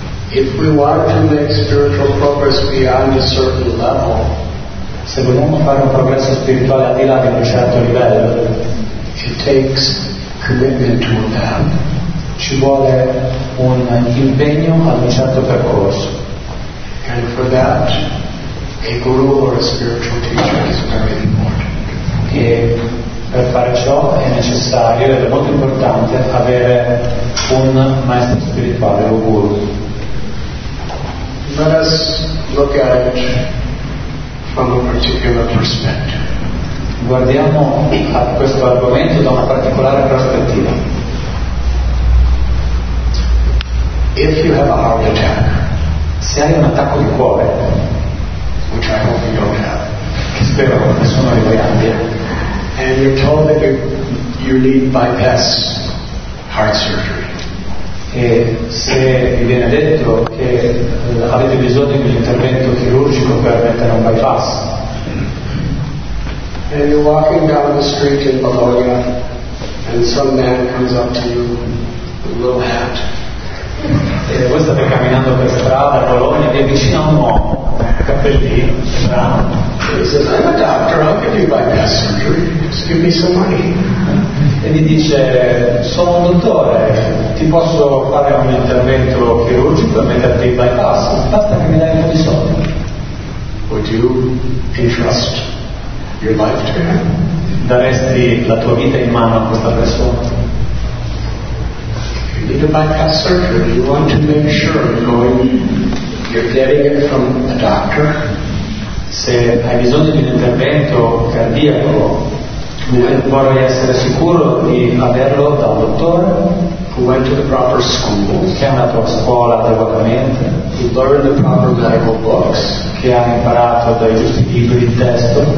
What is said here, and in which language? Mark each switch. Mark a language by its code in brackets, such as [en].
[en] If we want to make spiritual progress beyond a certain level, [it] se vogliamo fare un progresso spirituale al di là di un certo livello, [en] it takes commitment to a path. [it] Ci vuole un impegno ad un certo percorso. [en] And for that, a guru or a spiritual teacher is very important. [it] E per fare ciò è necessario ed è molto importante avere un maestro spirituale o guru. [en] Let us look at it from a particular perspective. [it] Guardiamo a questo argomento da una particolare prospettiva. [en] If you have a heart attack, [it] se hai un attacco di cuore, [en] which I hope you don't have, [it] che spero che nessuno di voi abbia, [en] and you're told that you need bypass heart surgery, [it] e se vi viene detto che avete bisogno di un intervento chirurgico per mettere un bypass, [en] and you're walking down the street in Bologna and some man comes up to you with a little hat, [it] e voi state camminando per strada a Bologna, vi avvicina un uomo cappellino. [en] He says, I'm a doctor, I'll give you bypass surgery, just give me some money. [it] E gli dice, sono un dottore, ti posso fare un intervento chirurgico e metterti il bypass, basta che mi dai un po' di soldi. [en] Would you entrust your life to him? [it] Daresti la tua vita in mano a questa persona? [en] You need a bypass surgery, you want to make sure you're getting it from a doctor. [it] Se hai bisogno di un intervento cardiaco, vorrei essere sicuro di averlo da un dottore [en] who went to the proper school, [it] che è andato a scuola adeguatamente, [en] who learned the proper medical books, [it] che ha imparato dai giusti libri di testo,